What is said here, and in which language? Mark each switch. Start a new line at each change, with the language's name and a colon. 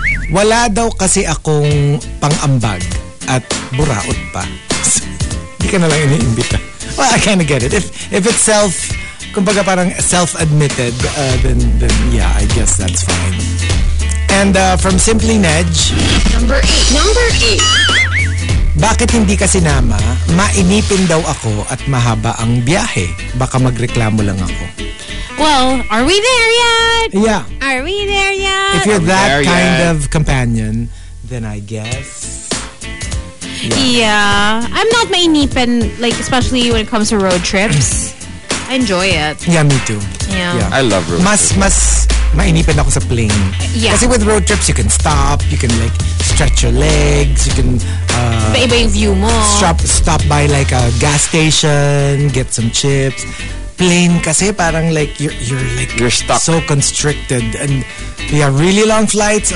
Filipino: Wala daw kasi akong pang-ambag at buraot pa. Di ka na lang iniimbita.
English: Well, I kind of get it. If it's self,
Filipino: kumbaga parang
English: self-admitted, then yeah, I guess that's fine. And from Simply Nedge. Number 8.
Filipino: Bakit hindi ka sinama? Mainipin daw ako at mahaba ang biyahe. Baka magreklamo lang ako.
English: Well, are we there yet? Yeah. Are we there yet? If you're that kind of companion, then I guess... Yeah. I'm not mainipin, like, especially when it comes to road trips. I enjoy it. Yeah, me too. Yeah. I love road
Filipino: mas,
English: trips.
Filipino: Mas mainipin ako sa plane.
English: Yeah.
Filipino: Kasi
English: with road trips, you can stop, you can, like, stretch your legs, you can...
Filipino: Iba yung view mo.
English: Stop by, like, a gas station, get some chips... Plane
Filipino: kasi parang
English: like you're stuck. So constricted and they are really long flights.